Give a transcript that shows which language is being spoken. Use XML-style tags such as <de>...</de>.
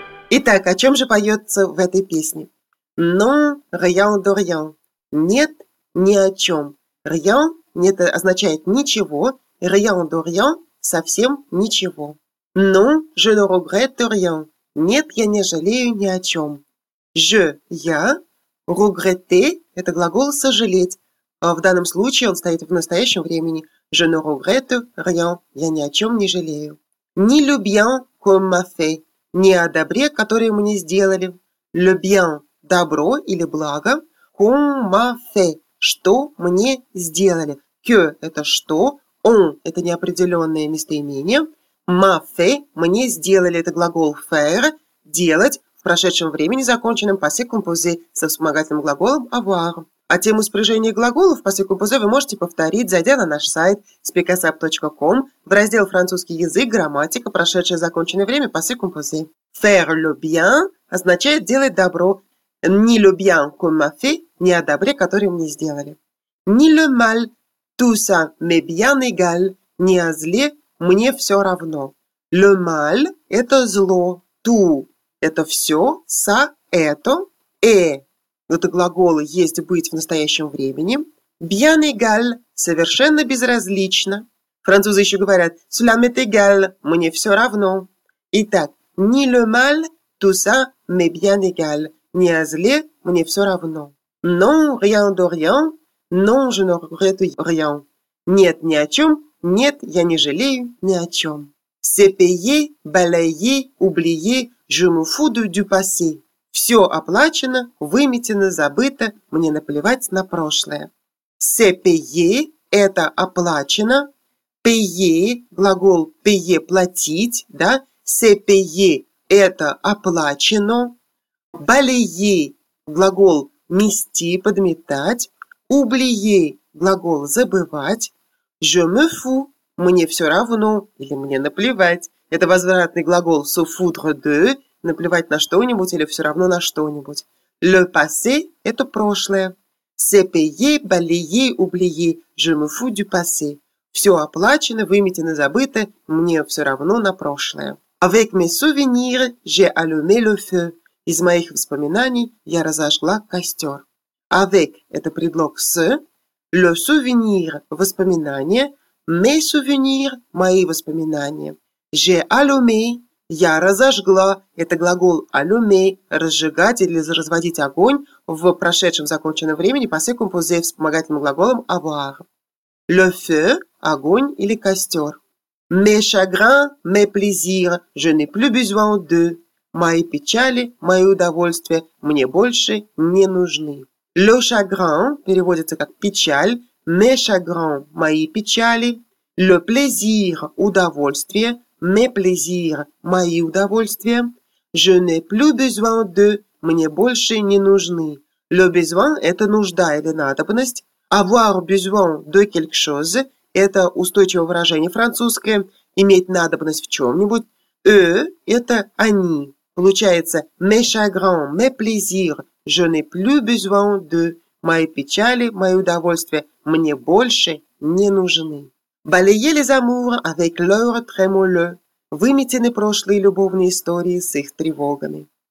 <ru>Итак, о чем же поется в этой песне?</ru> <fr>Non, rien de rien.</fr> <ru>Нет, ни о чем. Rien, нет, означает ничего.</ru> <fr>Rien de rien,</fr> <ru>совсем ничего.</ru> <fr>Non, je ne regrette rien.</fr> <ru>Нет, я не жалею ни о чем.</ru> <fr>Je, я.</fr> <ru>Regretter, это глагол сожалеть. А в данном случае он стоит в настоящем времени.</ru> <fr>Je ne regrette rien.</fr> <ru>Я ни о чем не жалею.</ru> <fr>Ni le bien qu'on m'a fait.</fr> <ru>Не о добре, которое мне сделали. Le bien – добро или благо.</ru> <fr>Qu'on m'a fait</fr> <ru>– что мне сделали. Que – это что. On – это неопределенное местоимение. M'a fait – мне сделали. Это глагол faire – делать в прошедшем времени, законченном passé composé со вспомогательным глаголом avoir. А тему спряжения глаголов passé composé вы можете повторить, зайдя на наш сайт speakasap.com в раздел «Французский язык. Грамматика. Прошедшее законченное время. Passé composé». «Faire le bien» означает «делать добро».</ru> <fr>«Ni le bien qu'on m'a fait»</fr> <ru>– «не о добре, которое мне сделали».</ru> <fr>«Ni le mal» – «tout ça m'est bien égal» –</fr> <ru>«не о зле, мне все равно». «Le mal» – это зло. «Tout» – это все. «Ça» – это. «Э» – это глаголы «есть», «быть» в настоящем времени. «Bien égal» – «совершенно безразлично». Французы еще говорят «cela m'est égal» – «мне все равно». Итак, «ni le mal»,</ru> <fr>«tout ça m'est bien égal» –</fr> <ru>ни о зле, мне все равно.</ru> <fr>Non, rien de rien. Non, je ne regrette rien.</fr> <ru>Нет ни о чем. Нет, я не жалею ни о чем.</ru> <fr>C'est payé, balayé, oublié. Je me fous de du passé.</fr> <ru>Все оплачено, выметено, забыто. Мне наплевать на прошлое.</ru> <fr>C'est payé.</fr> <ru>Это оплачено.</ru> <fr>Payé.</fr> <ru>Глагол payé – платить. Да?</ru> <fr>C'est payé.</fr> <ru>Это оплачено.</ru> <fr>Balayé.</fr> <ru>Глагол мести, подметать.</ru> <fr>Oublié.</fr> <ru>Глагол забывать.</ru> <fr>Je me fous.</fr> <ru>Мне все равно. Или мне наплевать. Это возвратный глагол se foutre de. Наплевать на что-нибудь или все равно на что-нибудь. Le passé – это прошлое.</ru> <fr>C'est payé, balayé, oublié. Je me fous du passé.</fr> <ru>Все оплачено, выметено, забыто. Мне все равно на прошлое.</ru> <fr>Avec mes souvenirs, j'ai allumé le feu.</fr> <ru>Из моих воспоминаний я разожгла костер. Avec – это предлог с. Le souvenir – воспоминание. Mes souvenirs – мои воспоминания.</ru> <fr>J'ai allumé</fr> <ru>– я разожгла. Это глагол allumé – разжигать или разводить огонь в прошедшем законченном времени passé composé вспомогательным глаголом avoir. Le feu – огонь или костер.</ru> <fr>Mes chagrins, mes plaisirs – je n'ai plus besoin de.</fr> <ru>Мои печали, мои удовольствия мне больше не нужны. Le chagrin переводится как печаль. Mes chagrins – мои печали. Le plaisir – удовольствие. Mes plaisirs – мои удовольствия.</ru> <fr>Je n'ai plus besoin de</fr> <ru>– мне больше не нужны. Le besoin – это нужда или надобность.</ru> <fr>Avoir besoin de quelque chose –</fr> <ru>это устойчивое выражение французское. Иметь надобность в чем-нибудь. Eux – это они.</ru> <fr>Получается «mes chagrins, mes plaisirs, je n'ai plus besoin de» –</fr> <ru>«мои печали, мои удовольствия мне больше не нужны».</ru> <fr>«Balayer les amours avec leur tremoleux»</fr> <ru>– «выметены прошлые любовные истории с их тревогами».</ru>